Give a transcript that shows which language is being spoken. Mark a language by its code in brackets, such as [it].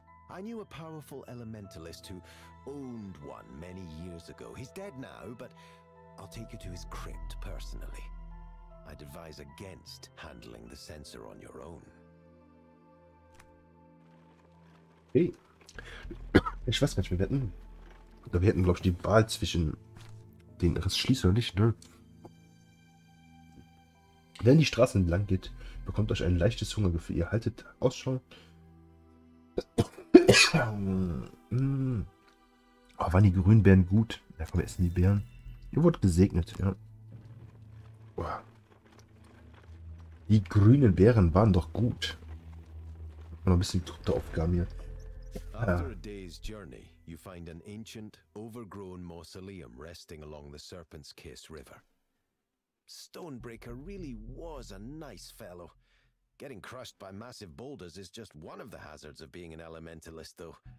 [en] I knew a powerful elementalist who owned one many years ago. He's dead now, but I'll take you to his crypt personally. I'd advise against handling the sensor on your own. Hey. [de] Ich weiß nicht, wir hätten glaube ich die Wahl zwischen den Rissschließer und nicht, ne? Wenn die Straße entlang geht, bekommt euch ein leichtes Hungergefühl. Ihr haltet Ausschau. Oh, waren die grünen Beeren gut? Ja, komm, wir essen die Beeren. Ihr wurdet gesegnet, ja. Boah. Die grünen Beeren waren doch gut. Noch ein bisschen Truppe auf Garmir. [en] After a day's journey, you find an ancient, overgrown mausoleum resting along the Serpent's Kiss River. Stonebreaker really was a nice fellow. Getting crushed by massive boulders is just one of the hazards of being an elementalist, though.